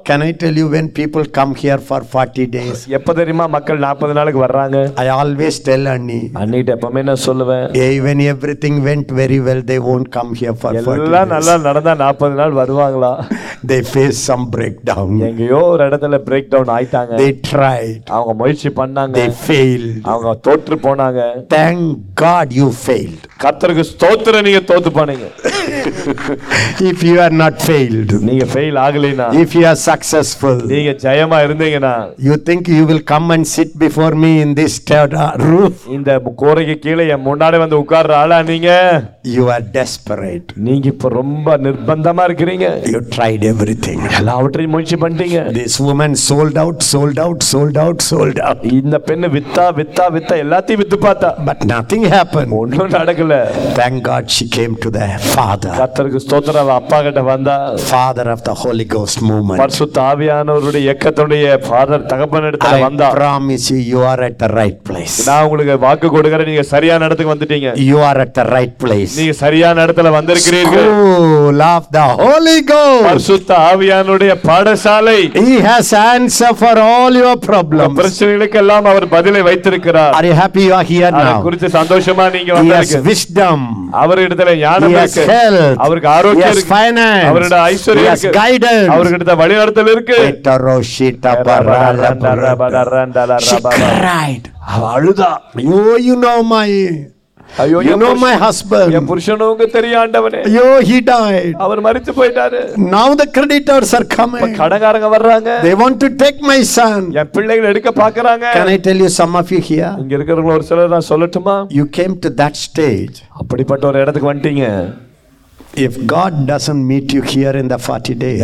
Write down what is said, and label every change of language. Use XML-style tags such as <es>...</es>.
<en>Can I tell you when people come here for 40 days?</en> <ta>எப்ப தெரியுமா மக்கள் 40 நாளுக்கு வர்றாங்க?</ta> <en>I always tell Annie.</en> <ta>அன்னிட்ட எப்பமே நான் சொல்லுவேன்.</ta> <en>Even everything went very well, they won't come here for 40 days.</en> <ta>எல்லாம் நல்லா நடந்தா 40 நாள் வருவாங்களா?</ta> <en>They face some breakdown.</en> <ta>எங்கயோ ஒரு இடத்துல breakdown ஆயிட்டாங்க.</ta> <en>They tried.</en> <ta>அவங்க முயற்சி பண்ணாங்க.</ta> <en>They failed.</en> <ta>அவங்க தோற்று போனாங்க.</ta> <en>Thank God you failed.</en> <ta>கர்த்தருக்கு ஸ்தோத்திரம் நீங்க தோத்து போனீங்க.</ta> <en>If you are not failed,</en> <ta>நீங்க fail ஆகலினா,</ta> <en>if you are successful,</en> <ta>நீங்க ஜெயமா இருந்தீங்கனா,</ta> <en>you think you will come and sit before me in this roof,</en> <ta>இந்த கோரைக்கு கீழே என் முன்னாடி வந்து உட்கார்ற ஆளா நீங்க?</ta> <en>You are desperate.</en> <ta>நீங்க இப்ப ரொம்ப நிர்பந்தமா இருக்கீங்க.</ta> <en>You tried everything.</en> <ta>எல்லாவற்றையும் முயற்சி பண்ணீங்க.</ta> <en>This woman sold out, sold out, sold out, sold out.</en> <ta>இந்த பெண்ணு வித்தா வித்தா வித்தா எல்லாத்தையும் வித்து பார்த்தா.</ta> <en>But nothing happened.</en> <ta>ஒண்ணும் நடக்கல.</ta> <en>Thank God she came to the Father.</en> <ta>கர்த்தருக்கு ஸ்தோத்திரம் அவ அப்பா கிட்ட வந்தா.</ta> <en>Father of the Holy Ghost movement.</en> <ta>பரிசுத்த ஆவியானவருடைய இயக்கத்துடைய ஃாதர் தகப்பனிடத்துல வந்தா.</ta> <en>I promise you, you are at the right place.</en> <ta>நான் உங்களுக்கு வாக்கு கொடுக்கற நீங்க சரியான இடத்துக்கு வந்துட்டீங்க.</ta> <en>You are at the right place.</en> <ta>நீங்க சரியான இடத்துல வந்திருக்கிறீர்கள்.</ta> <en>School of the Holy Ghost.</en> <ta>பரிசுத்த ஆவியானவருடைய பாடசாலை.</ta> <en>He has answer for all your problems.</en> <ta>பிரச்சனைகளுக்கு எல்லாம் அவர் பதிலை வைத்திருக்கிறார்.</ta> <en>Are you happy you are here now?</en> <ta>அவர் குறித்து சந்தோஷமா நீங்க வந்திருக்கீங்க.</ta> <en>He has wisdom.</en> <ta>அவரிடத்தில் ஞானம் இருக்கு.</ta> <en>He has health.</en> <ta>அவருக்கு ஆரோக்கியம் இருக்கு.</ta> <en>He has finance.</en> <ta>அவருடைய ஐஸ்வர்யம் இருக்கு.</ta> <en>He has guidance.</en> <ta>அவருடைய வழிநடத்தல் இருக்கு.</ta> <en>டரோஷிட பரலபரபரபரபர. She cried.</en> <ta>அவ அழுதா.</ta> <en>ஐயோ you know my ஐயோ you know my husband</en> <ta>என் புருஷனுக்கு தெரியாண்டவனே</ta> <en>ஐயோ he died</en> <ta>அவர் மரித்து போயிட்டாரு</ta> <en>now the creditors are coming</en> <ta>இப்ப கடகாரங்க வர்றாங்க</ta> <en>they want to take my son</en> <ta>என் பிள்ளைகளை எடுக்க பாக்குறாங்க</ta> <en>can I tell you some of you here</en> <ta>இங்க இருக்கிறவங்க ஒரு சிலர் நான் சொல்லட்டுமா</ta> <en>you came to that stage</en> <ta>அப்படிப்பட்ட ஒரு இடத்துக்கு வந்துட்டீங்க</ta> <en>If God doesn't meet you here in the 40 days,</en>